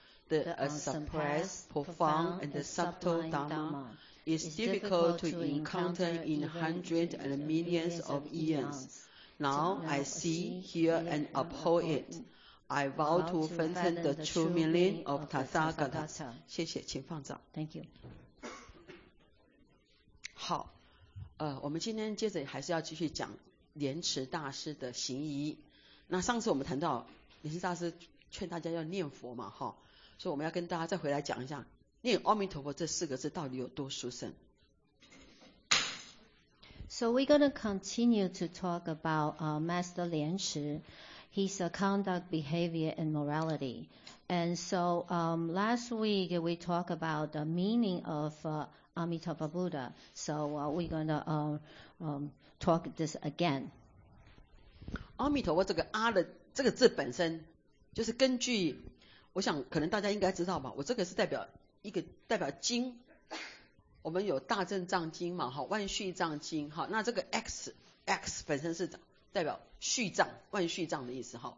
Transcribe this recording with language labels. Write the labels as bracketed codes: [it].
[en] The unsurpassed, profound and subtle Dharma is difficult to encounter in hundreds and millions of eons. Now I see, hear and uphold it. I vow to fathom the true meaning of Tathagata. [zh] 谢谢，请放掌。 [en] Thank you. [zh] 好，我们今天接着还是要继续讲莲池大师的行仪。那上次我们谈到莲池大师劝大家要念佛嘛，哈，所以我们要跟大家再回来讲一下，念阿弥陀佛这四个字到底有多殊胜。 [en] So we're going to continue to talk about Master 莲池。 His conduct, behavior, and morality. And so, last week we talked about the meaning of Amitabha Buddha. So, we're going to talk this again. [zh] Amitabha, 这个阿的这个字本身就是根据，我想可能大家应该知道吧，我这个是代表一个代表经，我们有大正藏经嘛，万续藏经，那这个 X 本身是代表续藏，万续藏的意思哈。